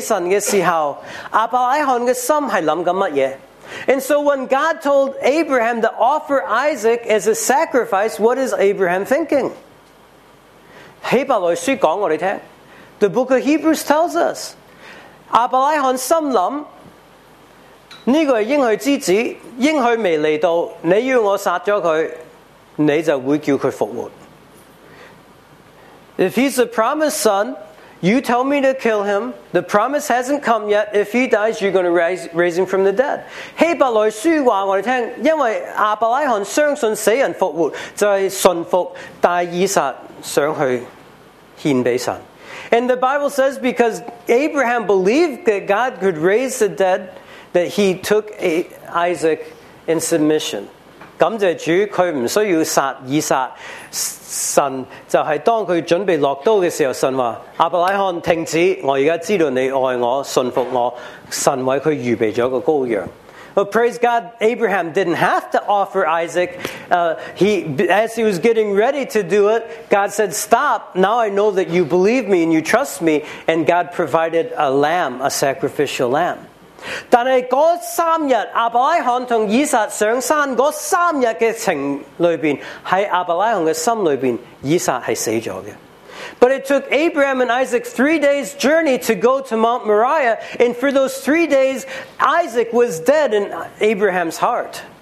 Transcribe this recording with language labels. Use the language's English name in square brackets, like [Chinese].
[Cantonese] 所以当神叫亚伯拉罕将以撒献给神的时候,亚伯拉罕的心是想着什么? [English] And so when God told Abraham to offer Isaac as a sacrifice, what is Abraham thinking? [Cantonese] 希伯来书讲我们听, [English] the book of Hebrews tells us, [Cantonese] 亚伯拉罕心想, 这个是应许之子, 应许未来到, 你要我杀了他, 你就会叫他复活。 [English] If he's the promised son, you tell me to kill him. The promise hasn't come yet. If he dies, you're going to raise him from the dead. [Cantonese] 希伯来书告诉我们, 因为亚伯拉罕相信死人复活, 就是信服,但以撒想去献给神。 [English] And the Bible says because Abraham believed that God could raise the dead, that he took Isaac in submission. [Cantonese] 感谢主,他不需要杀以撒, 神就是当他准备落刀的时候,神说,亚伯拉罕停止,我现在知道你爱我,信服我,神为他预备了一个羔羊。 [English] But praise God, Abraham didn't have to offer Isaac. As he was getting ready to do it, God said, stop, now I know that you believe me and you trust me. And God provided a lamb, a sacrificial lamb. [Cantonese] 但是那三天,亚伯拉罕和以撒上山那三天的情里面,在亚伯拉罕的心里面,以撒是死了的。 [English] But it took Abraham and Isaac 3 days' journey to go to Mount Moriah, and for those 3 days, Isaac was dead in Abraham's heart.